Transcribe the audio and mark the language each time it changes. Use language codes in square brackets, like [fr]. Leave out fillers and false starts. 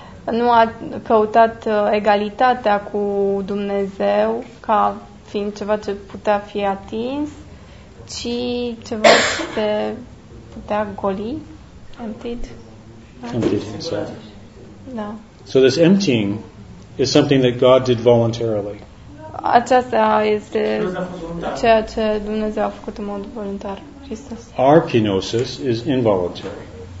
[ro] Nu a căutat egalitatea cu Dumnezeu ca fiind ceva ce putea fi atins, ci ceva ce se putea goli, emptied. [en] Emptied himself. [ro] Da. [en] So this emptying is something that God did voluntarily. [ro] Aceasta este ceea ce Dumnezeu a făcut în mod voluntar. Hristos. [en] Our kenosis is involuntary.